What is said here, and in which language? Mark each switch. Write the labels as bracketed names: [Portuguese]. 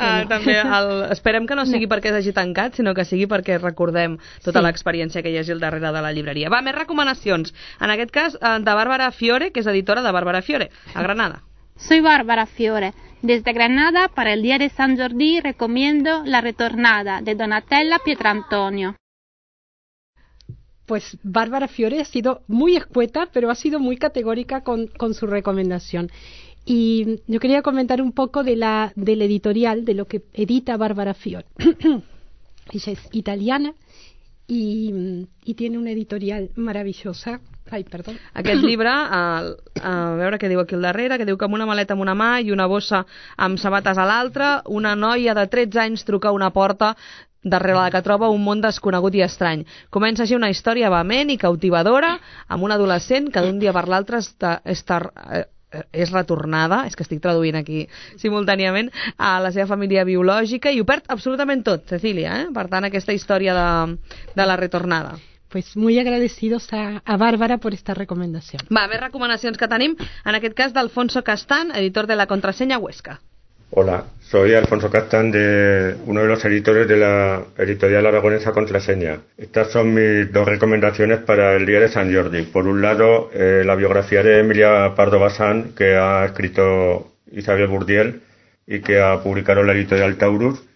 [Catalan] també esperem que no sigui perquè s'hagi tancat, sinó que sigui perquè recordem tota l'experiència que hi hagi al darrere de la llibreria. Va, més recomanacions. En aquest cas, de Bàrbara Fiore, que és editora de Bàrbara Fiore, a Granada. [Spanish] Soy Bárbara Fiore. Desde Granada, para el Día de San Jordi, recomiendo La retornada, de Donatella Pietrantonio. Pues Bárbara Fiore ha sido muy escueta, pero ha sido muy categórica con su recomendación. Y yo quería comentar un poco del editorial, de lo que edita Bárbara Fiore. Ella es italiana y tiene una editorial maravillosa, [Catalan] Ai, perdó. Aquest llibre, a veure què diu aquí al darrere, que diu que amb una maleta amb una mà i una bossa amb sabates a l'altra, una noia de 13 anys truca a una porta darrere la que troba un món desconegut i estrany. Comença així una història vehement i cautivadora amb un adolescent que d'un dia per l'altre és retornada, és que estic traduint aquí simultàniament, a la seva família biològica i ho perd absolutament tot, Cecília, eh? Per tant, aquesta història de la retornada. [Spanish] Pues muy agradecidos a Bárbara por esta recomendación. [Catalan] Va, més recomanacions que tenim, en aquest cas d'Alfonso Castán, editor de La Contraseña Huesca. [Spanish] Hola, soy Alfonso Castán, de uno de los editores de la editorial aragonesa Contraseña. Estas son mis dos recomendaciones para el Día de San Jordi. Por un lado, la biografía de Emilia Pardo Bazán, que ha escrito Isabel Burdiel y que ha publicado la editorial Taurus.